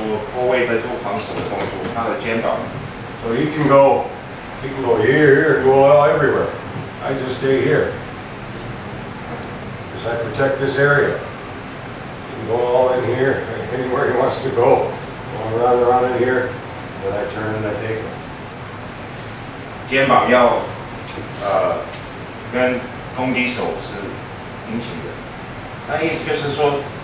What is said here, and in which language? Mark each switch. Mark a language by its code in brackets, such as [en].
[zh] 所以教练在强调说后卫在做防守的动作，他的肩膀。 [en] So he can go here, go everywhere. I just stay here because I protect this area. He can go all in here, anywhere he wants to go. All around in here, then I turn and I take him. [zh] 肩膀要跟攻击手是平行的。那意思就是说。